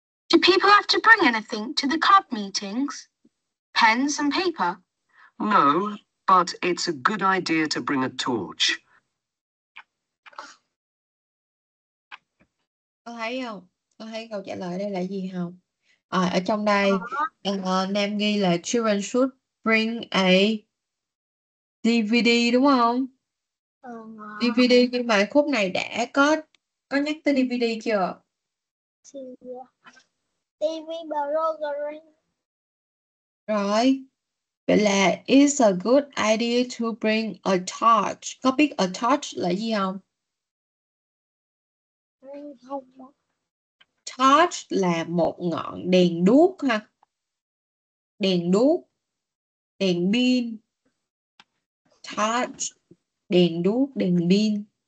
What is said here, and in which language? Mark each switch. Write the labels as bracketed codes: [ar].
[en] Do people have to bring anything to the club meetings? Pens and paper? No, but it's a good idea to bring a torch. [vi] Có thấy không? Có thấy câu trả lời đây là gì không? Ở trong đây Nam ghi là [en] children should bring a DVD [vi] đúng không? DVD, nhưng mà khúc này đã có nhắc tới DVD chưa? DVD. Rồi. Vậy là [en] it's a good idea to bring a torch. [vi] Có biết a torch là gì không? Không. Torch là một ngọn đèn đuốc ha. Đèn đuốc. Đèn pin. Torch. Đèn đuốc, đèn pin.